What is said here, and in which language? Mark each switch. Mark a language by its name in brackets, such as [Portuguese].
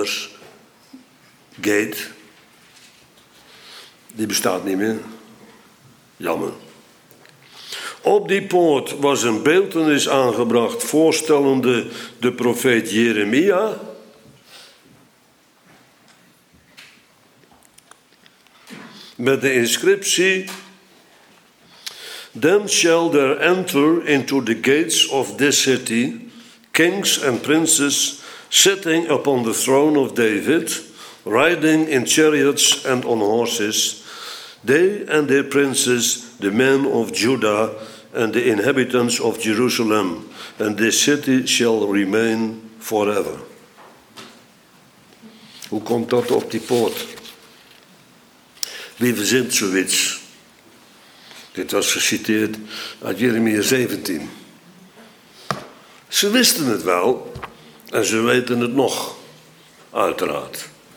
[Dutch] Aldersgate. Die bestaat niet meer. Jammer. Op die poort was een beeltenis aangebracht voorstellende de profeet Jeremia. Met de inscriptie: [English] Then shall there enter into the gates of this city kings and princes sitting upon the throne of David, riding in chariots and on horses, they and their princes, the men of Judah and the inhabitants of Jerusalem, and this city shall remain forever. [Dutch] Hoe komt dat op die poort? Wie verzint zoiets? Dit was geciteerd uit Jeremia 17. Ze wisten het wel en ze weten het nog, uiteraard.